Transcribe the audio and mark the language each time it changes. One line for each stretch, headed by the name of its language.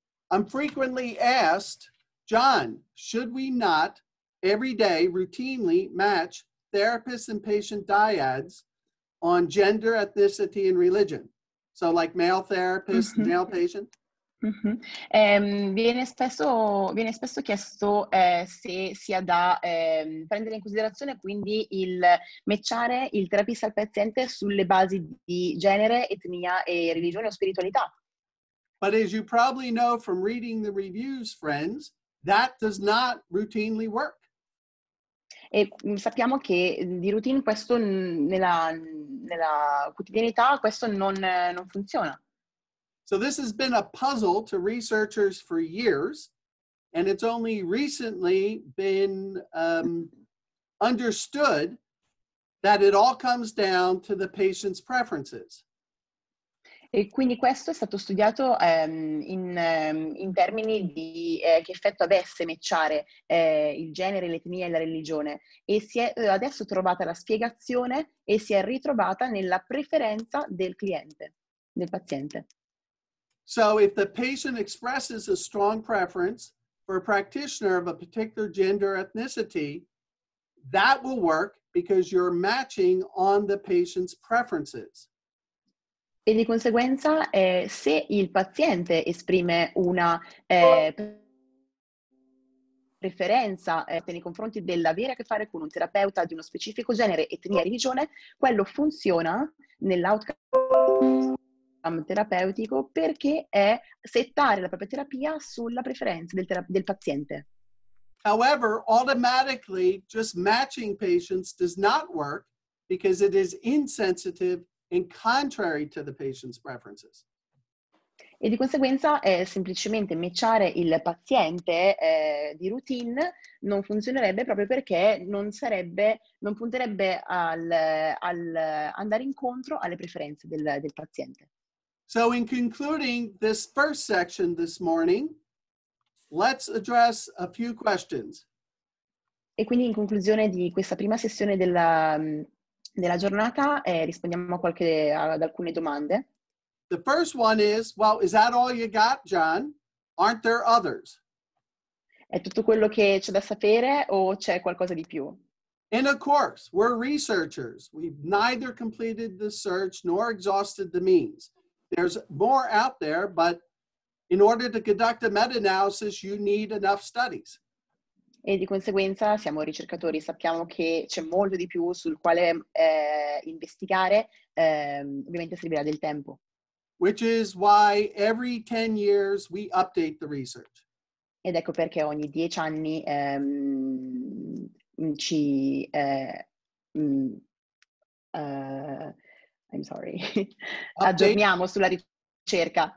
English: I'm frequently asked, John, should we not every day routinely match therapists and patient dyads on gender, ethnicity, and religion? So like male therapist, mm-hmm. male patient? Mm-hmm.
Italian: Viene spesso chiesto se sia da prendere in considerazione quindi il matchare il terapista al paziente sulle basi di genere, etnia e religione o spiritualità.
English: But as you probably know from reading the reviews, friends, that does not routinely work.
Italian: E sappiamo che di routine questo nella quotidianità questo non funziona.
English: So this has been a puzzle to researchers for years, and it's only recently been understood that it all comes down to the patient's preferences.
Italian: E quindi questo è stato studiato in termini di che effetto avesse matchare il genere, l'etnia e la religione. E si è adesso trovata la spiegazione e si è ritrovata nella preferenza del cliente, del paziente.
English: So if the patient expresses a strong preference for a practitioner of a particular gender ethnicity, that will work because you're matching on the patient's preferences.
Italian: E di conseguenza, se il paziente esprime una preferenza nei confronti dell'avere a che fare con un terapeuta di uno specifico genere, etnia e religione, quello funziona nell'outcome terapeutico perché è settare la propria terapia sulla preferenza del paziente.
English: However, automatically just matching patients does not work because it is insensitive in contrary to the patient's preferences.
Italian: E di conseguenza semplicemente matchare il paziente di routine non funzionerebbe proprio perché non punterebbe al andare incontro alle preferenze del paziente.
English: So in concluding this first section this morning, let's address a few questions.
Italian: E quindi in conclusione di questa prima sessione della giornata rispondiamo ad alcune domande.
English: The first one is, well, is that all you got, John? Aren't there others?
Italian: È tutto quello che c'è da sapere o c'è qualcosa di più?
English: And of course, we're researchers. We've neither completed the search nor exhausted the means. There's more out there, but in order to conduct a meta-analysis, you need enough studies.
Italian: E di conseguenza siamo ricercatori, sappiamo che c'è molto di più sul quale investigare, ovviamente servirà del tempo.
English: Which is why every 10 years we update the research.
Italian: Ed ecco perché ogni 10 anni aggiorniamo sulla ricerca.